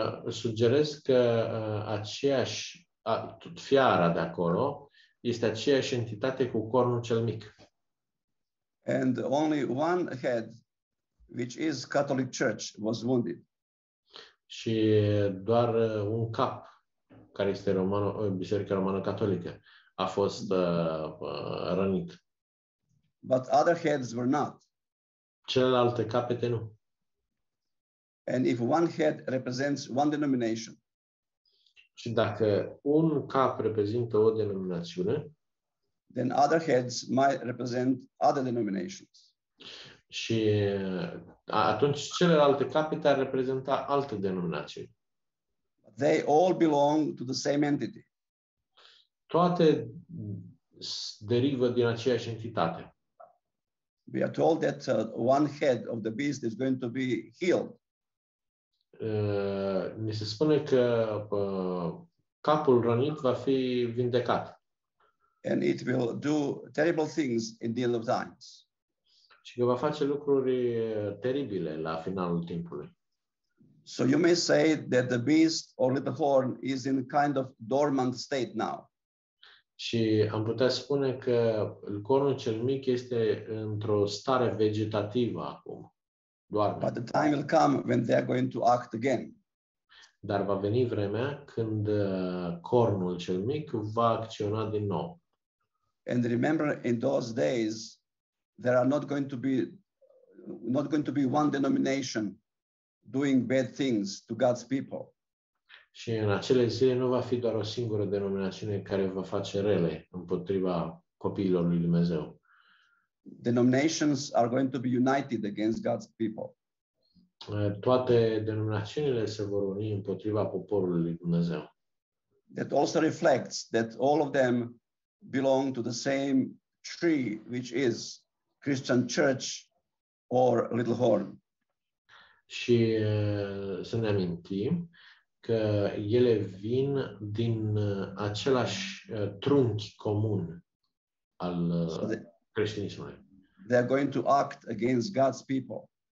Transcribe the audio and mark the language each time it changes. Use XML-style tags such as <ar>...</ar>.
<ro>Sugerez că aceeași fiara de acolo este aceeași entitate cu cornul cel mic.</ro> <en>And only one head, which is Catholic Church, was wounded.</en> <ro>Și doar un cap, care este Biserica Romano-Catolică, a fost rănit.</ro> <en>But other heads were not.</en> <ro>Celelalte capete nu.</ro> <en>And if one head represents one denomination.</en> <ro>Și dacă un cap reprezintă o denominațiune,</ro> <en>then other heads might represent other denominations.</en> <ro>Și atunci celelalte capete ar reprezenta alte denominații.</ro> <en>They all belong to the same entity.</en> <ro>Toate derivă din aceeași entitate.</ro> <en>We are told that one head of the beast is going to be healed.</en> <ro>Ni se spune că capul rănit va fi vindecat.</ro> <en>And it will do terrible things in the end of times.</en> <ro>Și că va face lucruri teribile la finalul timpului.</ro> <en>So you may say that the beast or Little Horn is in a kind of dormant state now.</en> <ro>Și am putea spune că cornul cel mic este într-o stare vegetativă acum, doarme.</ro> <en>But the time will come when they are going to act again.</en> <ro>Dar va veni vremea când cornul cel mic va acționa din nou.</ro> <en>And remember, in those days, there are not going to be one denomination doing bad things to God's people.</en> <ro>Și în acele zile nu va fi doar o singură denominațiune care va face rele împotriva copiilor lui Dumnezeu.</ro> <en>Denominations are going to be united against God's people.</en> <ro>Toate denominațiunile se vor uni împotriva poporului lui Dumnezeu.</ro> <en>That also reflects that all of them belong to the same tree, which is Christian Church or Little Horn.</en> <ro>Și să ne amintim că ele vin din același trunchi comun al creștinismului.</ro> <en>They are going to act against God's people.</en>